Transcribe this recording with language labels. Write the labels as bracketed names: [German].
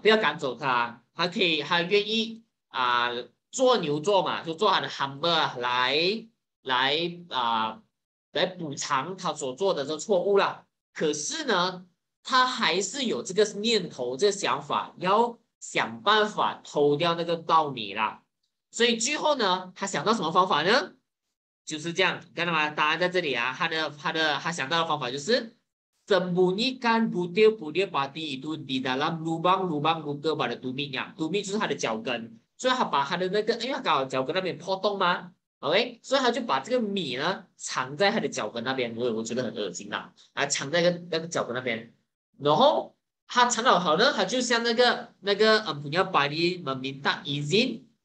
[Chinese] 不要赶走他，他可以，他愿意做牛做马，就做他的 humble 来补偿他所做的这错误啦。可是呢，他还是有这个念头，这个想法，要想办法偷掉那个稻米啦。所以最后呢，他想到什么方法呢？就是这样，看到吗？答案在这里啊。他想到的方法就是， [Malay] sembunyikan butir butir padi itu di dalam lubang lubang luka pada tumitnya。 [Chinese] tumit 就是他的脚跟，所以他把他的那个，因为他刚好脚跟那边破洞嘛，OK，所以他就把这个米呢藏在他的脚跟那边。我觉得很恶心呐，还藏在那个脚跟那边，然后他藏好后呢，他就向那个 [Malay] punya padi meminta izin。